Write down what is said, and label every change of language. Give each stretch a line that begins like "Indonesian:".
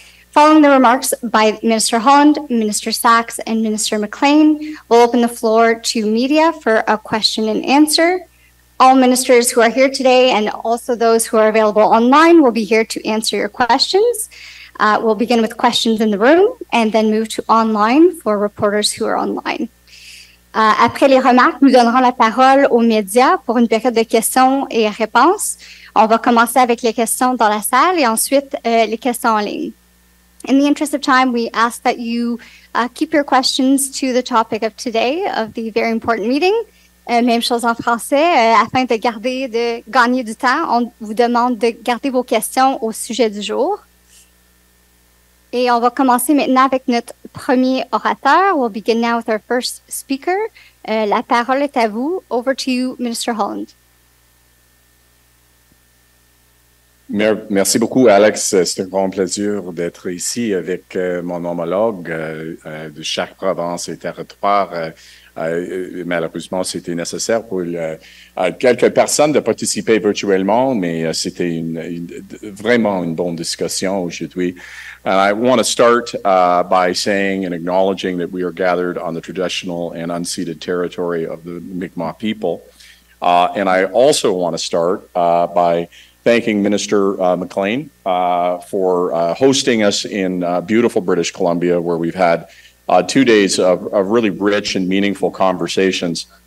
English: Following the remarks by Minister Holland, Minister Sachs, and Minister McLane, we'll open the floor to media for a question and answer. All ministers who are here today and also those who are available online will be here to answer your questions. We'll begin with questions in the room and then move to online for reporters who are online.
French: Après les remarques, nous donnerons la parole aux médias pour une période de questions et réponses. On va commencer avec les questions dans la salle et ensuite les questions en ligne.
English: In the interest of time, we ask that you keep your questions to the topic of today, of the very important meeting.
French: Même chose en français, afin de garder, de gagner du temps, on vous demande de garder vos questions au sujet du jour. Et on va commencer maintenant avec notre premier orateur.
English: We'll begin now with our first speaker.
French: La parole est à vous.
English: Over to you, Minister Holland.
French: Merci beaucoup, Alex. C'est un grand plaisir d'être ici avec mon homologue de chaque province et territoire. Malheureusement, c'était nécessaire pour quelques personnes de participer virtuellement, mais c'était vraiment une bonne discussion aujourd'hui.
English: And I want to start by saying and acknowledging that we are gathered on the traditional and unceded territory of the Mi'kmaq people. And I also want to start by thanking Minister McLane for hosting us in beautiful British Columbia, where we've had 2 days of really rich and meaningful conversations.